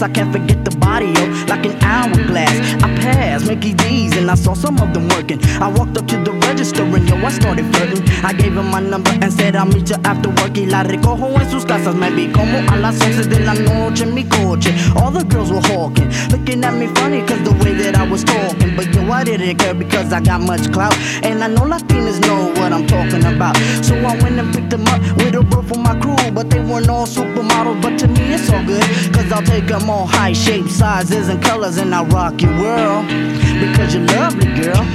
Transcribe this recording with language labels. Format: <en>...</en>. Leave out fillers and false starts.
<en>I can't forget the body up like an hourglass. I passed Mickey D's and I saw some of them working. I walked up to the register and yo, I started flirting. I gave him my number and said I'll meet you after work.</en> <es>Y la recojo en sus casas. Me vi como a las 11 de la noche en mi coche.</es> <en>All the girls were hawking, looking at me funny cause the way that I was talking. But yo, I didn't care because I got much clout. And I know Latinas know what I'm talking about. So I went and picked them up with a bro from my crew. But they weren't all supermodels, but to me it's all good. Cause I'll take them all height, shape, sizes, and colors. And I'll rock your world because you're lovely, girl.</en>